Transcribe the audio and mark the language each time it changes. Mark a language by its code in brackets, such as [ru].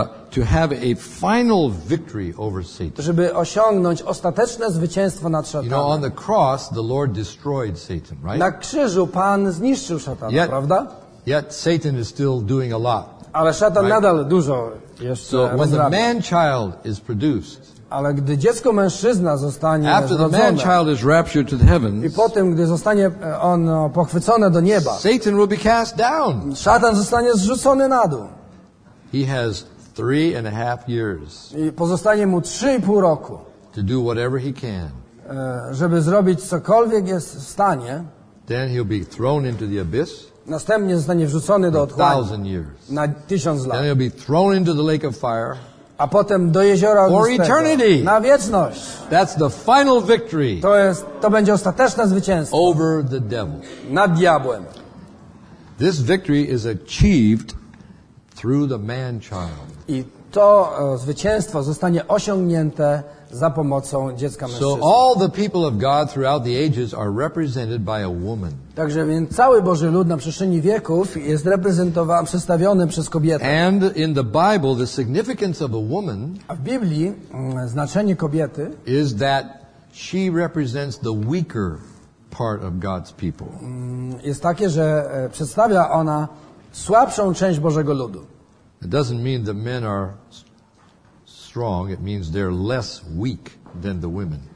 [en] To have a final victory over Satan. [pl] Żeby osiągnąć ostateczne zwycięstwo nad szatanem. [en] You know, on the cross, the Lord destroyed Satan, right? [pl] Na krzyżu Pan zniszczył szatana, [en] yet, [pl] prawda? [en] Yet Satan is still doing a lot. [pl] Ale szatan [en] right? [pl] nadal dużo. Jeszcze [en] so when the man-child is produced, [pl] ale gdy dziecko mężczyzna zostanie [en] after the man-child is raptured to the heavens, [pl] i potem gdy zostanie on pochwycone do nieba, [en] Satan will be cast down. [pl] Szatan zostanie zrzucony na dół. [en] He has 3.5 years. [pl] I pozostanie mu 3.5 roku. [en] To do whatever he can. [pl] Żeby zrobić cokolwiek jest w stanie. [en] Then he'll be thrown into the abyss. [pl] Następnie zostanie wrzucony do otchłani na 1,000 lat. [en] And he'll be thrown into the lake of fire, [pl] a potem do jeziora ognistego na wieczność. [en] That's the final victory. [pl] To będzie ostateczne zwycięstwo [en] over the devil. [pl] Nad diabłem. [en] This victory is achieved through the man child. [pl] I to zwycięstwo zostanie osiągnięte za pomocą dziecka mężczyzny. [en] So all the people of God throughout the ages are represented by a woman. [pl] Także więc cały Boży lud na przestrzeni wieków jest reprezentowany, przedstawiony przez kobietę. [en] And in the Bible the significance of a woman, [pl] a w Biblii znaczenie kobiety [en] is that she represents the weaker part of God's people. [pl] Jest takie, że przedstawia ona słabszą część Bożego ludu. [en] It doesn't mean the men are strong, it means they're less weak than the women.